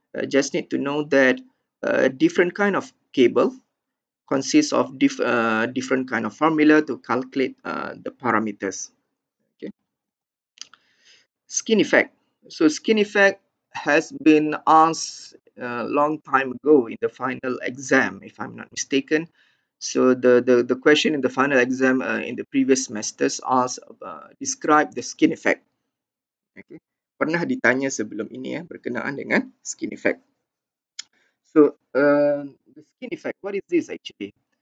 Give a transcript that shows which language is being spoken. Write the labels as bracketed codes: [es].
[en] Just need to know that a different kind of cable consists of different kind of formula to calculate the parameters. Okay. Skin effect. So skin effect has been asked a long time ago in the final exam, if I'm not mistaken. So the question in the final exam in the previous semesters asked describe the skin effect. Okay. [ms] Pernah ditanya sebelum ini ya berkenaan dengan skin effect. [en] So the skin effect, what is this actually?